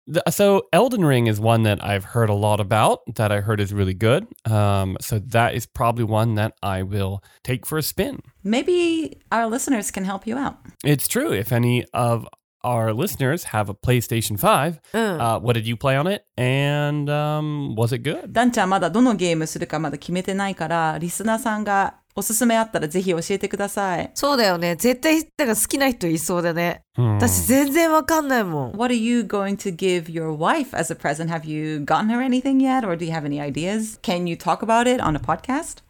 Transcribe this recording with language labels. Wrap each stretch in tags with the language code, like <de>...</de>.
<en>So Elden Ring is one that I've heard a lot about, that I heard is really good. So that is probably one that I will take for a spin. Maybe our listeners can help you out. It's true. If any of our listeners have a PlayStation 5, what did you play on it? And was it good?</en> <ja>ダンちゃんまだどのゲームするかまだ決めてないから、リスナーさんがおすすめあったらぜひ教えてください。そうだよね。絶対だから好きな人いそうだね。私全然わかんないもん。</ja> <en>What are you going to give your wife as a present? Have you gotten her anything yet? Or do you have any ideas? Can you talk about it on a podcast?</en>